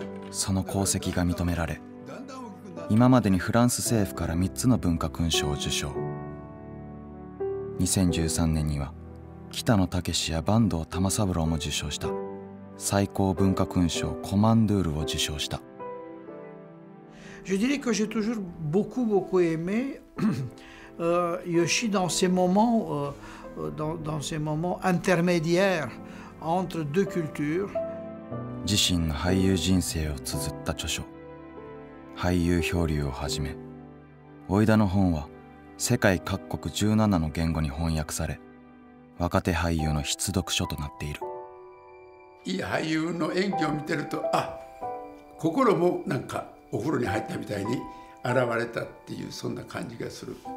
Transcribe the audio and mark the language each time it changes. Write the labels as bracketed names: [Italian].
[Japanese] その功績が認められ、今までにフランス政府から3つの文化勲章を受賞。 2013年には北野武や坂東玉三郎も受賞した。最高文化勲章コマンドゥールを受賞した。 [French] Je dirais que j'ai toujours beaucoup beaucoup aimé Yoshi dans ces moments dans ces moments intermédiaires entre deux cultures。 [Japanese] 自身の俳優人生を綴った著書、俳優漂流をはじめ、おいだの本は世界各国17の言語に翻訳され、若手俳優の必読書となっている。いい俳優の演技を見てると、あ、心もなんかお風呂に入ったみたいに洗われたっていう、そんな感じがする。